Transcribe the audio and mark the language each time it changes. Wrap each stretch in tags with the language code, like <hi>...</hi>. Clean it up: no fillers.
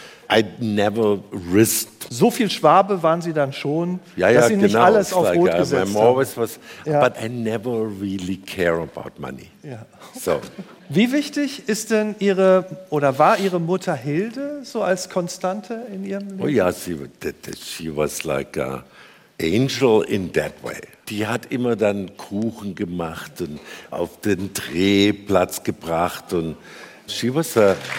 <en>I never risked.</en> <de>So viel Schwabe waren Sie dann schon, ja, dass Sie nicht alles auf Rot gesetzt haben.</de> <en>But I never really care about money.</en> <de>Ja. So. Wie wichtig ist denn Ihre, oder war Ihre Mutter Hilde so als Konstante in Ihrem Leben?</de> <en>Oh ja, she was like an angel in that way.</en> <de>Die hat immer dann Kuchen gemacht und auf den Drehplatz gebracht und</de> <en>she was a...</en>